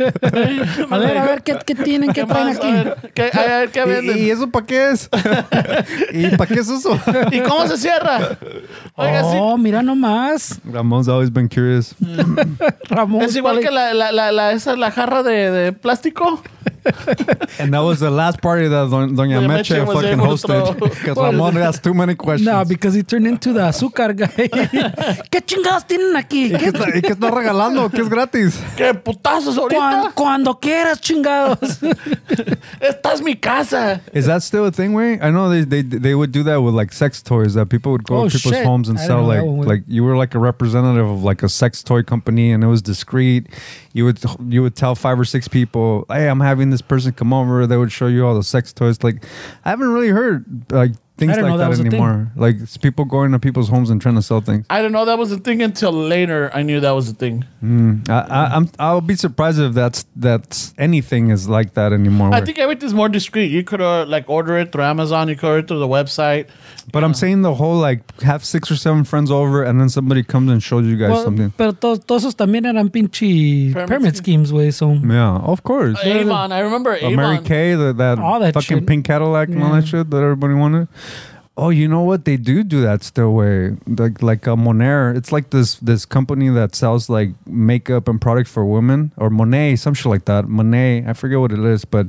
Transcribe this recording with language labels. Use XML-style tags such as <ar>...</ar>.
<es>A ver, ¿qué tienen? ¿Qué traen aquí? A ver, ¿qué venden? ¿Y eso para qué es? ¿Y para qué es eso? ¿Y cómo se cierra? Oiga, oh, sí. Mira nomás.</es> <en>Ramón's always been curious. Ramón.</en> <es>Es igual que la esa, la jarra de plástico.</es> <en>And that was the last party that Doña Meche fucking hosted. Because Ramón asked too many questions. No, because he turned into the azúcar guy.</en> <es>¿Qué chingados tienen aquí? ¿Y qué está regalando? ¿Qué es gratis? ¿Qué putazos ahorita? Cuando quieras, chingados. Esta es mi casa.</es> <en>Is that still a thing, Wayne? I know they would do that with like sex toys that people would go to people's homes and sell. Like you were like a representative of like a sex toy company and it was discreet. You would tell five or six people, hey, I'm having this person come over. They would show you all the sex toys. Like, I haven't really heard like things like that anymore. Like it's people going to people's homes and trying to sell things. I didn't know that was a thing until later. I knew that was a thing. I'll be surprised if that's anything is like that anymore. I think everything's more discreet. You could like order it through Amazon. You could order it through the website. But yeah. I'm saying the whole like have six or seven friends over and then somebody comes and shows you guys something.</en> <es>Pero todos esos también eran pinche</es> <en>pyramid schemes,</en> <es>güey.</es> <en>So yeah, of course. Avon, I remember Avon. Mary Kay, that fucking pink Cadillac and all that shit that everybody wanted. Oh, you know what? They do that still, way. Like a Monair. It's like this company that sells like makeup and products for women, or Monet, some shit like that. Monet, I forget what it is, but</en>